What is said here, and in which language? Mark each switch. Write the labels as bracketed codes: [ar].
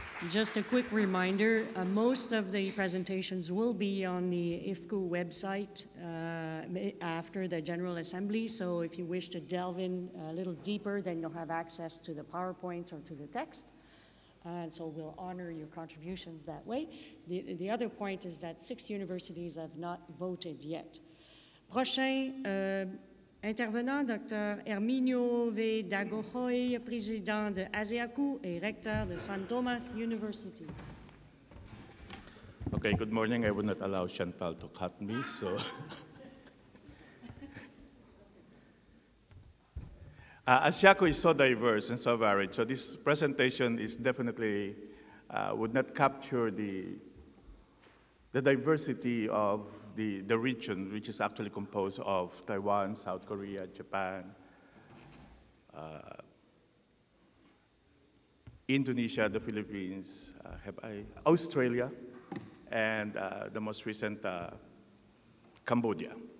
[en] Just a quick reminder, most of the presentations will be on the IFCU website after the General Assembly, so if you wish to delve in a little deeper, then you'll have access to the PowerPoints or to the text, and so we'll honor your contributions that way. The other point is that six universities have not voted yet. [fr] Prochain intervenant, Dr. Herminio V. Dagohoy, président de ASEACU et recteur de San Tomas University. [en] Okay, good morning. I would not allow Chantal to cut me, so. ASEACU is so diverse and so varied, so this presentation is definitely would not capture the diversity of the region, which is actually composed of Taiwan, South Korea, Japan, Indonesia, the Philippines, Australia, and the most recent Cambodia.